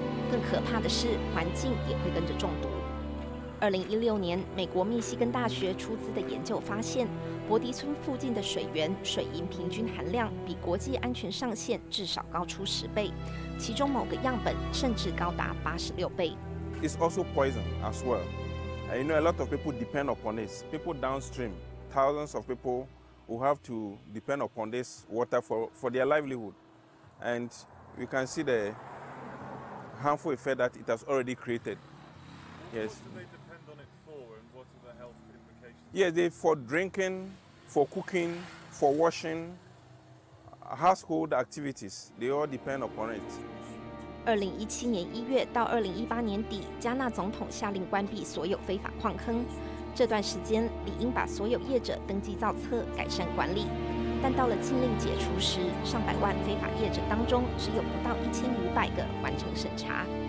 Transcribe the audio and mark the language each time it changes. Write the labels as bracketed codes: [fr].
[zh] 更可怕的是，环境也会跟着中毒。2016年，美国密西根大学出资的研究发现，伯迪村附近的水源水银平均含量比国际安全上限至少高出10倍，其中某个样本甚至高达86倍。 [en] It's also poison as well. And you know, a lot of people depend upon this. People downstream, thousands of people who have to depend upon this water for their livelihood. And we can see the harmful effect that it has already created. Yes. Yes, they for drinking, for cooking, for washing, household activities. They all depend upon it. [zh] 2017年1月到2018年底，加纳总统下令关闭所有非法矿坑。这段时间，理应把所有业者登记造册，改善管理。但到了禁令解除时，上百万非法业者当中，只有不到1500个完成审查。